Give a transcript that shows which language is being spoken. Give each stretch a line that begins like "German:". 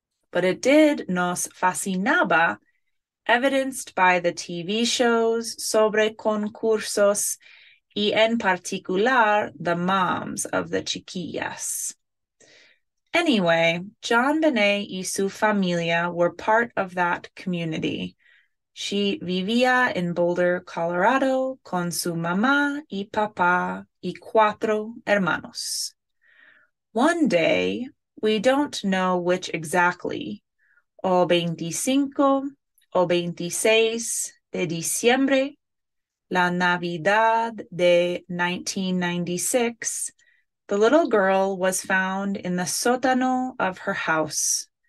English: But it did
Spanish: nos fascinaba,
English: evidenced by the TV shows
Spanish: sobre concursos y en particular
English: the moms of the chiquillas. Anyway, JonBenet
Spanish: y su familia
English: were part of that community. She
Spanish: vivía en Boulder, Colorado, con su mamá y papá y 4 hermanos.
English: One day, we don't know which exactly,
Spanish: o 25 o 26 de diciembre, la Navidad de 1996,
English: the little girl was found in the sótano of her house.